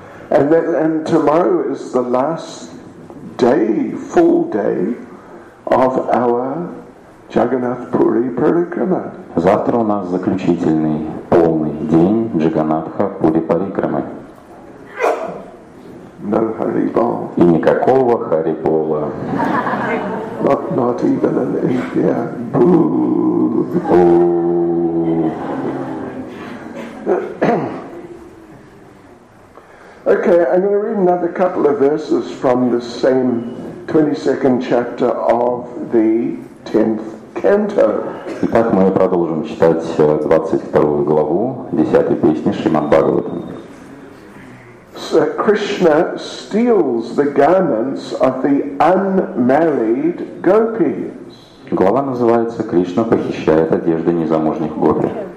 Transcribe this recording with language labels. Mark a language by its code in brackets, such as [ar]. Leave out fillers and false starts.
[en] And tomorrow is the last day, full day, of our Jagannath Puri Parikrama. [ru] Завтра у нас заключительный, полный день Джаганнатха Пури Парикрамы. [en] No Hari Bol. [ru] И никакого Хари Бола. [en] Not even an India. Boo. Okay, I'm going to read another couple of verses from the same 22nd chapter of the 10th canto. [ru] Итак, мы продолжим читать 22 главу 10 песни Шримад Бхагаватам. [en] So Krishna steals the garments of the unmarried gopis. [ru] Глава называется «Кришна похищает одежды незамужних гопи».